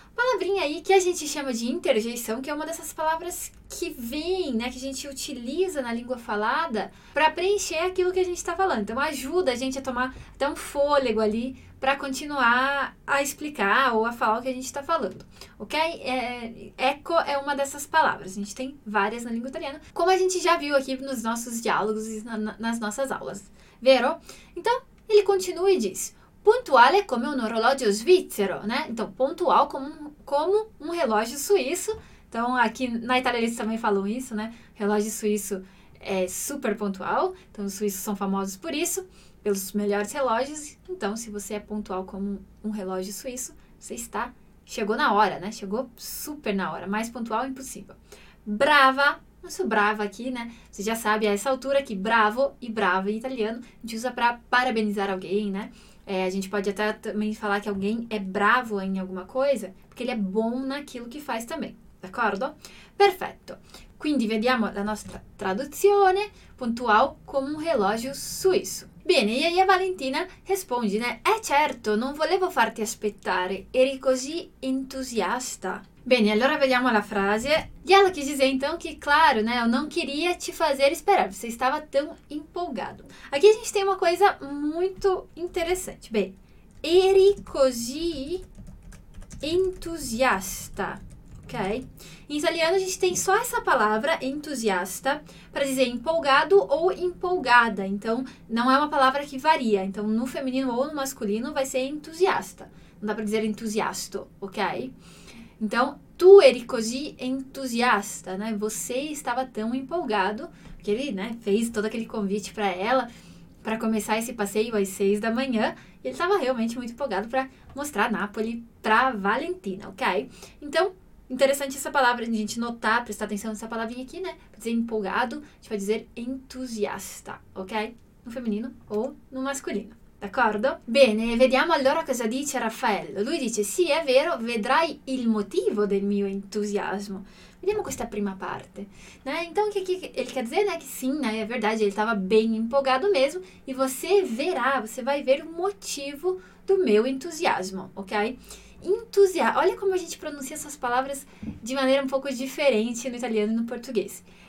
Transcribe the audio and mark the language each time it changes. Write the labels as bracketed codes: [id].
[pt] Palavrinha aí que a gente chama de interjeição, que é uma dessas palavras que vem, né, que a gente utiliza na língua falada para preencher aquilo que a gente está falando. Então, ajuda a gente a tomar até um fôlego ali para continuar a explicar ou a falar o que a gente está falando, ok? Eco é uma dessas palavras. A gente tem várias na língua italiana, como a gente já viu aqui nos nossos diálogos e nas nossas aulas, vero? Então, ele continua e diz: [it] puntuale come un orologio svizzero, [pt] né? Então, pontual como um relógio suíço. Então, aqui na Itália eles também falam isso, né? Relógio suíço é super pontual. Então, os suíços são famosos por isso, pelos melhores relógios. Então, se você é pontual como um relógio suíço, você está. Chegou na hora, né? Chegou super na hora. Mais pontual, impossível. Brava! Não sou brava aqui, né? Você já sabe a essa altura que bravo e brava em italiano a gente usa para parabenizar alguém, né? É, a gente pode até também falar que alguém é bravo em alguma coisa, porque ele é bom naquilo que faz também, d'accordo? Perfeito. [it] Quindi vediamo la nostra traduzione, puntual come un relogio suíço. Bene, [pt] e aí a Valentina responde, né? [it] È certo, non volevo farti aspettare, eri così entusiasta. Bene, allora vediamo la frase. [pt] E ela quis dizer então que, claro, né, eu não queria te fazer esperar, você estava tão empolgado. Aqui a gente tem uma coisa muito interessante. [it] Bem, eri così entusiasta, ok? [pt] Em italiano a gente tem só essa palavra, entusiasta, para dizer empolgado ou empolgada. Então, não é uma palavra que varia. Então, no feminino ou no masculino vai ser entusiasta. Não dá para dizer entusiasto, ok? [it] Então, tu eri così entusiasta, né? [pt] Você estava tão empolgado que ele, né, fez todo aquele convite para ela para começar esse passeio às 6 da manhã. E ele estava realmente muito empolgado para mostrar Nápoles para Valentina, ok? Então, interessante essa palavra, a gente notar, prestar atenção nessa palavrinha aqui, né? Pra dizer empolgado, a gente vai dizer entusiasta, ok? No feminino ou no masculino. D'accordo? [it] Bene, vediamo allora cosa dice Raffaello. Lui dice: sì, è vero, vedrai il motivo del mio entusiasmo. Vediamo questa prima parte, né? [pt] Então, o que ele quer dizer, né? Que sim, né? É verdade, ele estava bem empolgado mesmo. E você verá, você vai ver o motivo do meu entusiasmo, ok? Entusiasmo. Olha como a gente pronuncia essas palavras de maneira um pouco diferente no italiano e no português.